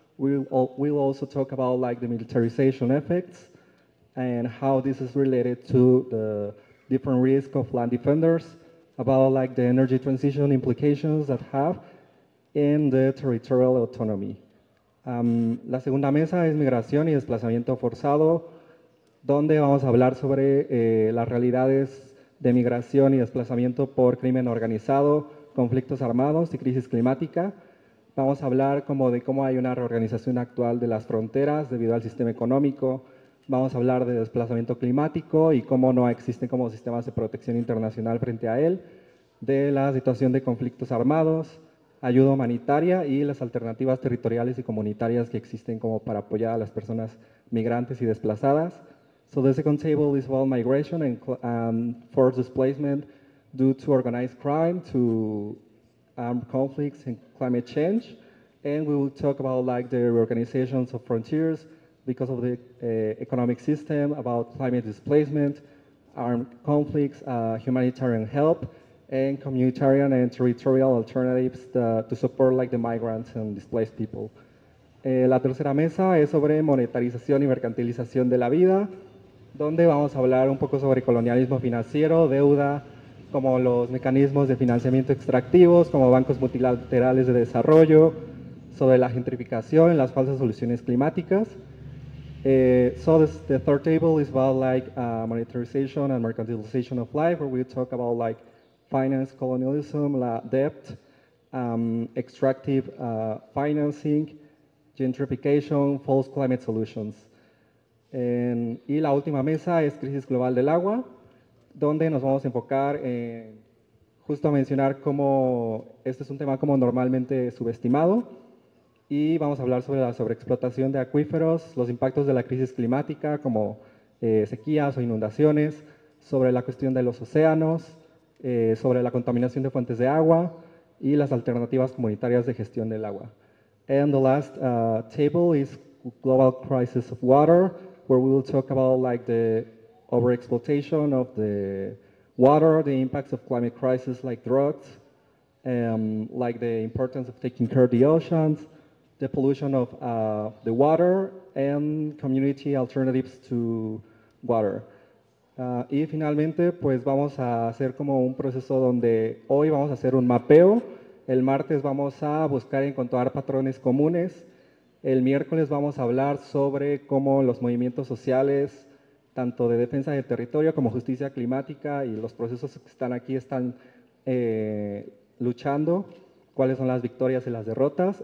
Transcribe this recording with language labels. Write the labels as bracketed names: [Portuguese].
[English] We'll also talk about like the militarization effects and how this is related to the different risk of land defenders, about like the energy transition implications that have in the territorial autonomy. [Spanish] La segunda mesa es migración y desplazamiento forzado, donde vamos a hablar sobre las realidades de migración y desplazamiento por crimen organizado, conflictos armados y crisis climática. Vamos a hablar como de cómo hay una reorganización actual de las fronteras debido al sistema económico. Vamos a hablar de desplazamiento climático y cómo no existen como sistemas de protección internacional frente a él, de la situación de conflictos armados, ayuda humanitaria y las alternativas territoriales y comunitarias que existen como para apoyar a las personas migrantes y desplazadas. [English] So the second table is about migration and forced displacement due to organized crime, to armed conflicts and climate change. And we will talk about like the reorganizations of frontiers because of the economic system, about climate displacement, armed conflicts, humanitarian help, and communitarian and territorial alternatives to support like the migrants and displaced people. [Spanish] La tercera mesa es sobre monetarización y mercantilización de la vida, donde vamos a hablar un poco sobre colonialismo financiero, deuda, como los mecanismos de financiamiento extractivos, como bancos multilaterales de desarrollo, sobre la gentrificación, las falsas soluciones climáticas. [English] So this, the third table is about like monetarization and mercantilization of life, where we talk about like finance colonialism, la debt, extractive financing, gentrification, false climate solutions. [Spanish] Y la última mesa es crisis global del agua, donde nos vamos a enfocar en justo mencionar cómo este es un tema como normalmente subestimado, y vamos a hablar sobre la sobreexplotación de acuíferos, los impactos de la crisis climática como sequías o inundaciones, sobre la cuestión de los océanos, sobre la contaminación de fuentes de agua y las alternativas comunitarias de gestión del agua. [English] And the last table is global crisis of water, where we will talk about like the overexploitation of the water, the impacts of climate crisis like droughts, like the importance of taking care of the oceans, the pollution of the water and community alternatives to water. [Spanish] Y finalmente, pues vamos a hacer como un proceso donde hoy vamos a hacer un mapeo, el martes vamos a buscar y encontrar patrones comunes, el miércoles vamos a hablar sobre cómo los movimientos sociales tanto de defensa del territorio como justicia climática y los procesos que están aquí están luchando, cuáles son las victorias y las derrotas.